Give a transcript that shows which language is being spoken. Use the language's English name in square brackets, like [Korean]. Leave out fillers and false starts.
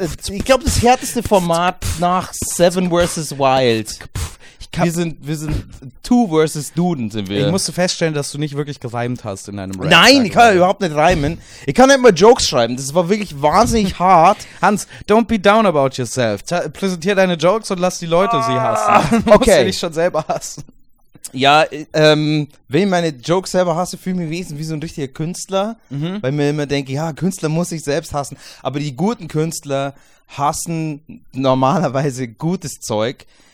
[German] Ich glaube, das härteste Format nach Seven vs. Wild. Wir sind Two versus Duden sind wir. Ich musste feststellen, dass du nicht wirklich gereimt hast in deinem Rap. Nein, ich kann ja überhaupt nicht reimen. Ich kann nicht mal Jokes schreiben. Das war wirklich wahnsinnig hart. [English] Hans, don't be down about yourself. [German] Präsentier deine Jokes und lass die Leute sie hassen. Okay. Musst du dich schon selber hassen. Ja, wenn ich meine Jokes selber hasse, fühle ich mich wesentlich wie so ein richtiger Künstler. Mhm. Weil mir immer denke, ja, Künstler muss ich selbst hassen. Aber die guten Künstler hassen normalerweise gutes Zeug.